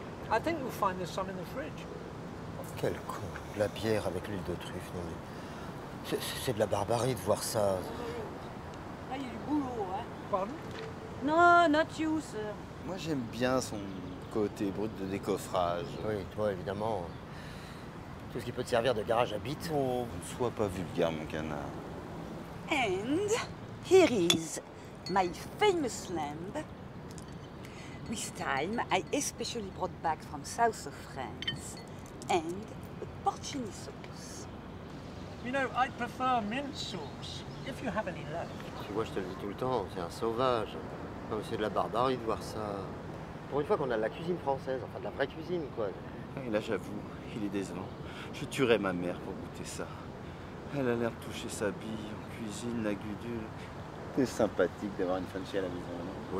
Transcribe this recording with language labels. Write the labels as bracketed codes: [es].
[en] I think you'll find there's some in the fridge. [fr] Quel con. La bière avec l'huile de truffe, non mais... C'est de la barbarie de voir ça. Là, il y a du boulot, hein. Pardon? [en] Non, not you, sir. [fr] Moi, j'aime bien son... côté brut de décoffrage. Oui, toi, évidemment. Tout ce qui peut te servir de garage à bite. Oh, ne sois pas vulgaire, mon canard. [en] And here is my famous lamb. With time, I especially brought back from south of France. And a porcini sauce. You know, I prefer mint sauce, if you have any left. [fr] Tu vois, je te le dis tout le temps, c'est un sauvage. Non, mais c'est de la barbarie de voir ça. Pour une fois qu'on a de la cuisine française, enfin de la vraie cuisine, quoi. Et là, j'avoue, il est décevant. Je tuerais ma mère pour goûter ça. Elle a l'air de toucher sa bille en cuisine, la gudule. C'est sympathique d'avoir une fan chez à la maison, non?